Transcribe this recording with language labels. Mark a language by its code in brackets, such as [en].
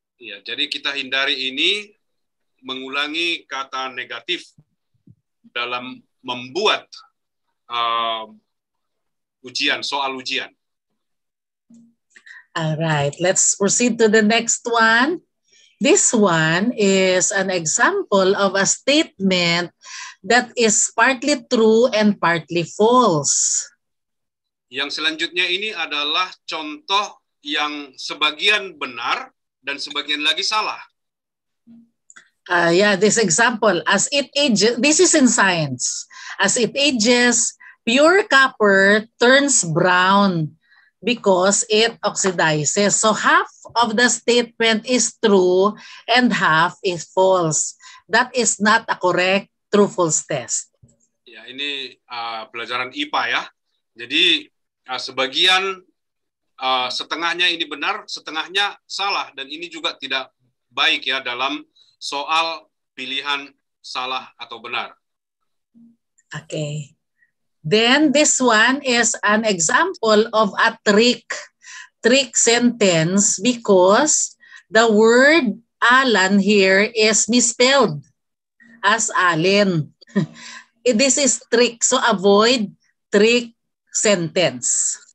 [id] Yeah, jadi kita hindari ini mengulangi kata negatif dalam membuat ujian, soal ujian. [en] All right, let's proceed to the next one. This one is an example of a statement that is partly true and partly false. [id] Yang selanjutnya ini adalah contoh yang sebagian benar dan sebagian lagi salah. [en] Yeah, this example, as it ages, this is in science. As it ages, pure copper turns brown because it oxidizes. So half of the statement is true and half is false. That is not a correct true-false test. [id] Yeah, ini pelajaran IPA ya. Jadi sebagian, setengahnya ini benar, setengahnya salah. Dan ini juga tidak baik ya dalam soal pilihan salah atau benar. [en] Okay. Then this one is an example of a trick sentence because the word Alan here is misspelled as Alan. This is trick, so avoid trick sentence.